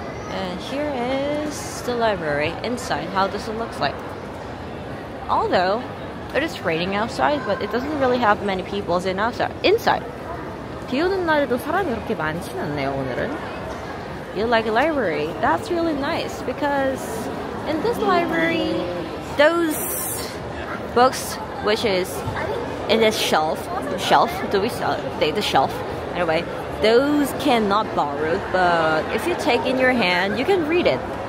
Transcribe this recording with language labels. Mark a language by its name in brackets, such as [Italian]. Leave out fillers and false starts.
[English] And here is the library inside, how does it look like? Although it is raining outside, but it doesn't really have many people in outside. Inside. [Korean] 비 오는 날에도 사람이 그렇게 많진 않네요, 오늘은. [English] You like a library? That's really nice because in this library, those books, which is in this shelf, do we sell it? The shelf, anyway, those cannot borrow, but if you take in your hand, you can read it.